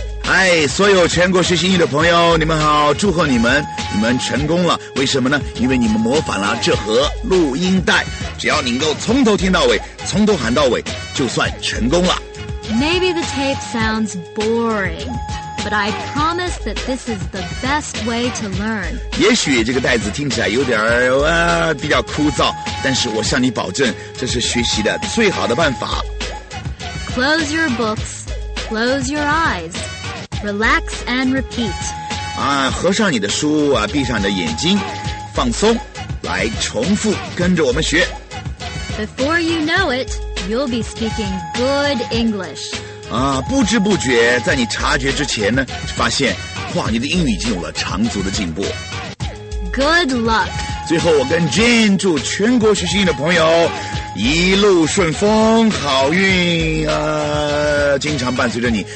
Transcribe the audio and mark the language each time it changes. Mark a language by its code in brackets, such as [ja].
[zh] Hi, 所有全国学习英语的朋友，你们好，祝贺你们，你们成功了。为什么呢？因为你们模仿了这盒录音带。只要你能够从头听到尾，从头喊到尾，就算成功了。 [en] Maybe the tape sounds boring, but I promise that this is the best way to learn. [zh] 也许这个袋子听起来有点比较枯燥。但是我向你保证，这是学习的最好的办法。 [en] Close your books, close your eyes, relax and repeat. [zh] 啊，合上你的书啊，闭上你的眼睛，放松，来重复，跟着我们学。 [en] Before you know it, you'll be speaking good English. [zh] 啊，不知不觉，在你察觉之前呢，发现，哇，你的英语已经有了长足的进步。 [en] Good luck. [zh] 最后我跟 Jean 祝全国学习英语的朋友一路顺风好运啊，经常伴随着你。